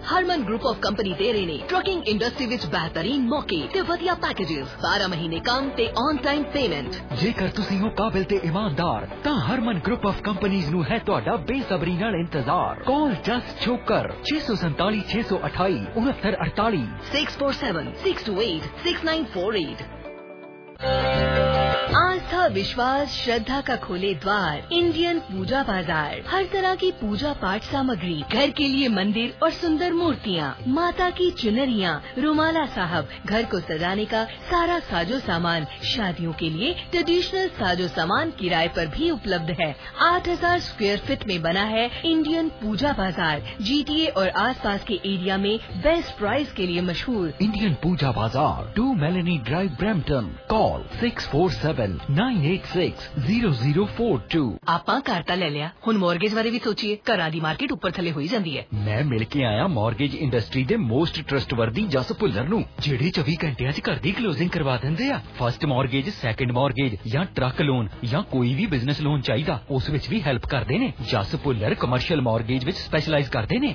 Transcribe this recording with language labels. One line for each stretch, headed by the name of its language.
Punjabi: Harman group of company ਦੇ ਰਹੇ ਨੇ ਟਰੱਕਿੰਗ ਇੰਡਸਟਰੀ ਵਿੱਚ ਬਿਹਤਰੀਨ ਮੌਕੇ ਤੇ ਵਧੀਆ ਪੈਕੇਜਸ 12 ਮਹੀਨੇ ਕੰਮ ਤੇ ਆਨ ਟਾਈਮ ਪੇਮੈਂਟ ਜੇਕਰ ਤੁਸੀਂ ਹੋ ਕਾਬਿਲ ਤੇ ਇਮਾਨਦਾਰ ਤਾਂ ਹਰਮਨ ਗਰੁੱਪ ਆਫ ਕੰਪਨੀਜ਼ ਨੂੰ ਹੈ ਤੁਹਾਡਾ ਬੇਸਬਰੀ ਨਾਲ ਇੰਤਜ਼ਾਰ ਕਾਲ ਜਸ ਛੋਕਰ 647-628-6948
Hindi: 647-628-6948 आस्था विश्वास श्रद्धा का खोले द्वार इंडियन पूजा बाजार हर तरह की पूजा पाठ सामग्री घर के लिए मंदिर और सुंदर मूर्तियाँ माता की चुनरियाँ रुमाला साहब घर को सजाने का सारा साजो सामान शादियों के लिए ट्रेडिशनल साजो सामान किराए पर भी उपलब्ध है 8000 स्क्वायर फीट में बना है इंडियन पूजा बाजार GTA और आसपास के एरिया में बेस्ट प्राइस के लिए मशहूर इंडियन पूजा बाजार 2 मेलनी ड्राइव ब्रैम्पटन कॉल 647-986-0042
Punjabi: ਆਪਾਂ ਘਰ ਤਾਂ ਲੈ ਲਿਆ ਹੁਣ ਮੋਰਗੇਜ ਬਾਰੇ ਵੀ ਸੋਚੀਏ ਘਰਾਂ ਦੀ ਮਾਰਕੀਟ ਉੱਪਰ ਥੱਲੇ ਹੋਈ ਜਾਂਦੀ ਹੈ ਮੈਂ ਮਿਲ ਕੇ ਆਇਆ ਮੋਰਗੇਜ ਇੰਡਸਟਰੀ ਦੇ ਮੋਸਟ ਟਰਸਟਵਰਦੀ ਜਸ ਭੁੱਲਰ ਨੂੰ ਜਿਹੜੇ 24 ਘੰਟਿਆਂ 'ਚ ਘਰ ਦੀ ਕਲੋਜ਼ਿੰਗ ਕਰਵਾ ਦਿੰਦੇ ਆ ਫਸਟ ਮੋਰਗੇਜ ਸੈਕਿੰਡ ਮੋਰਗੇਜ ਜਾਂ ਟਰੱਕ ਲੋਨ ਜਾਂ ਕੋਈ ਵੀ ਬਿਜ਼ਨਸ ਲੋਨ ਚਾਹੀਦਾ ਉਸ ਵਿੱਚ ਵੀ ਹੈਲਪ ਕਰਦੇ ਨੇ ਜਸ ਭੁੱਲਰ ਕਮਰਸ਼ੀਅਲ ਮੋਰਗੇਜ ਵਿੱਚ ਸਪੈਸ਼ਲਾਈਜ਼ ਕਰਦੇ ਨੇ